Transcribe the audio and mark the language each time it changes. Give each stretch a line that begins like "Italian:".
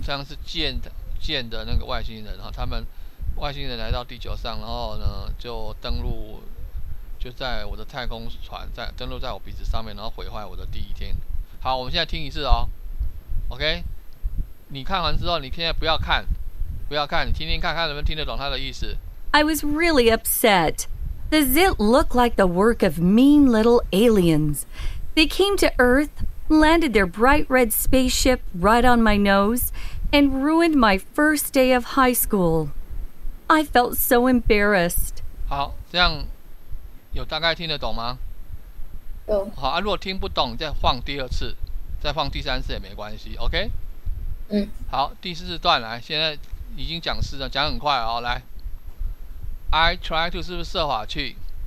Chinese: 像是见的那个外星人，他们外星人来到地球上，然后呢就登陆，就在我的太空船在登陆在我鼻子上面，然后毁坏我的第一天。好，我们现在听一次哦。OK， 你看完之后，你现在不要看。不要看，听听看看能不能听得懂他的意思。
English: I was really upset. Does it look like the work of mean little aliens? They came to Earth, landed their bright red spaceship right on my nose, and ruined my first day of high school. I felt so embarrassed.
Chinese: 好，这样有大概听得懂吗？懂。好啊，如果听不懂，再放第二次，再放第三次也没关系。 OK？嗯。好，第四段来，现在。已经讲四了，讲很快哦。来 ，
English: I try to
Chinese: 是不是设法去？